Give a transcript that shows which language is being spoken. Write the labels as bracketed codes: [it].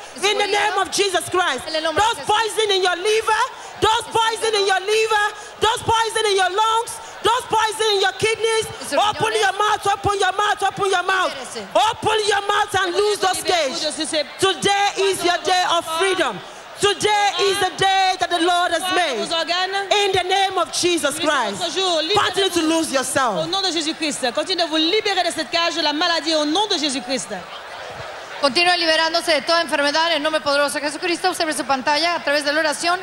[en] In the name of Jesus Christ, those poison in your liver, those poison in your liver, those poison in your lungs, those poison in your kidneys, open your mouth, open your mouth, open your mouth. Open your mouth and lose those cages. Today is your day of freedom. Today is the day that the Lord has made. In the name of Jesus Christ, continue to lose yourself. [fr] Au nom de Jésus Christ, continue de vous libérer de cette cage de la maladie au nom de Jésus Christ. [es] Continúa liberándose de toda enfermedad en nombre poderoso de Jesucristo. Observe su pantalla a través de la oración.